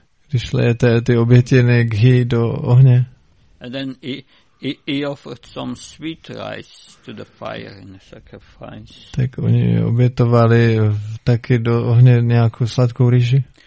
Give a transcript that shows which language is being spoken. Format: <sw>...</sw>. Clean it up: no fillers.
<cs>Když lejete ty obětiny ghee do ohně.</cs> <en>And then he offered some sweet rice to the fire in the sacrifice.</en> <cs>Tak oni obětovali taky do ohně nějakou sladkou rýži.</cs>